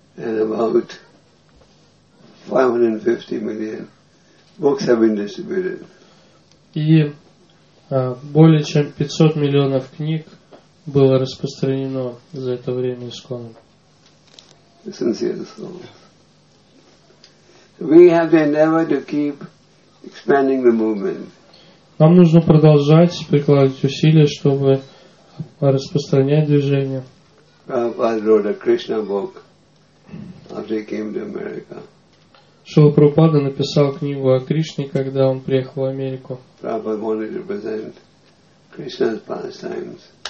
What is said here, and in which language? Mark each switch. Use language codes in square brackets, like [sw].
[en] And about 550 million books have been distributed. [ru] И более чем 500 миллионов книг было распространено за это время ISKCON. [en] Sincere souls. We have the endeavor to keep expanding the movement. [ru] Нам нужно продолжать прикладывать усилия, чтобы распространять движение. [en] Prabhupada wrote a Krishna book after he came to America. [ru] Шрила Прабхупада написал книгу о Кришне, когда он приехал в Америку. [en] Prabhupada wanted to present Krishna's pastimes.